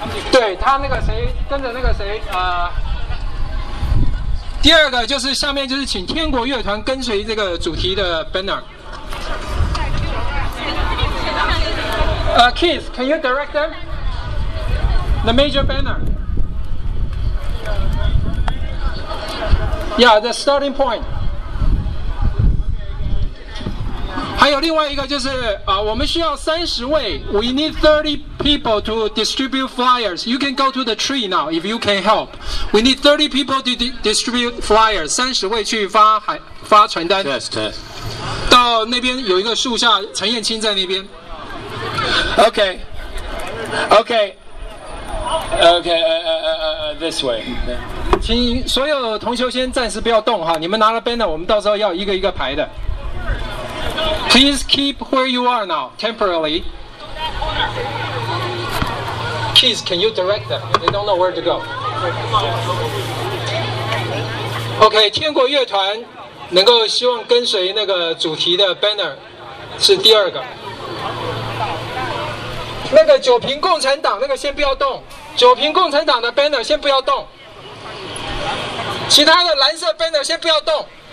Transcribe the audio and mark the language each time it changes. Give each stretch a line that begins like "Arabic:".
Chinese: 对，他那个谁跟着那个谁第二个就是下面就是请天国乐团跟随这个主题的 banner。
English: Keith, can you direct them? The major banner. Yeah, the starting point.
Chinese: 还有另外一个就是我们需要30位，
English: We need 30people to distribute flyers. You can go to the tree now if you can help. We need 30 people to distribute flyers.
Chinese: 30位去发传单。
English: Yes, yes.
Chinese: 到那边有一个树下，陈彦青在那边。
English: Okay. Okay. Okay. This way.
Chinese: 请所有同学先暂时不要动哈，你们拿了 banner， 我们到时候要一个一个排的。
English: Please keep where you are now, temporarily. Please, can you direct them? They don't know where to go.
Chinese: Okay, 天国乐团能够希望跟随那个主题的 banner 是第二个。那个酒瓶共产党，那个先不要动。九瓶共产党的 banner 先不要动，其他的蓝色 banner 先不要动。